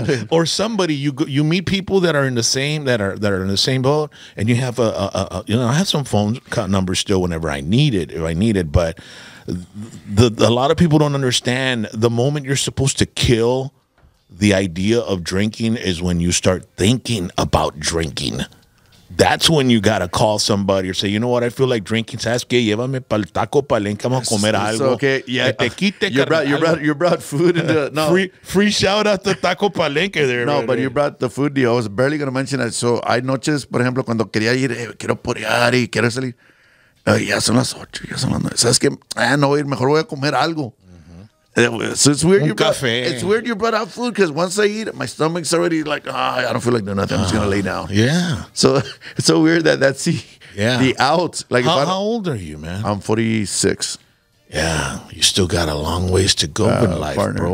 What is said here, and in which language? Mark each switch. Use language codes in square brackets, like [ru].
[en] Or somebody, you meet people that are in the same boat, and you have a you know, I have some phone numbers still whenever I need it, but a lot of people don't understand the moment you're supposed to kill the idea of drinking is when you start thinking about drinking. That's when you got to call somebody or say, you know what, I feel like drinking. [es] ¿Sabes qué? Llévame pa'l taco, pa'l enca, vamos a comer algo. [en] It's okay. Yeah. You brought food. Into, no. Free shout out to taco palenque there. No, but you brought the food deal. I was barely going to mention that. [es] So hay noches, por ejemplo, cuando quería ir, quiero porear y quiero salir. Ya son las ocho, ya son las nueve. ¿Sabes qué? No voy a ir, mejor voy a comer algo. [en] So it's weird, it's weird you brought out food, because once I eat, my stomach's already like, I don't feel like doing nothing. I'm just going to lay down. Yeah. So it's so weird that that's the out. Like, how old are you, man? I'm 46. Yeah. You still got a long ways to go in life, partner, bro.